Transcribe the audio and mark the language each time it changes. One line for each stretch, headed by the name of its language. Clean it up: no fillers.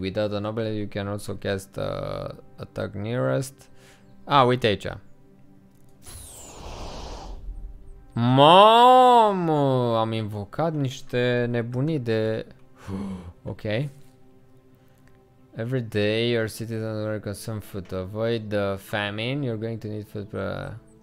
English: Without a noble, you can also cast attack nearest.
Romanian: Ah, uite aici. Mamă, am invocat niște nebunii de... Ok.
English: Every day your citizens will consume food to avoid the famine. You're going to need food for...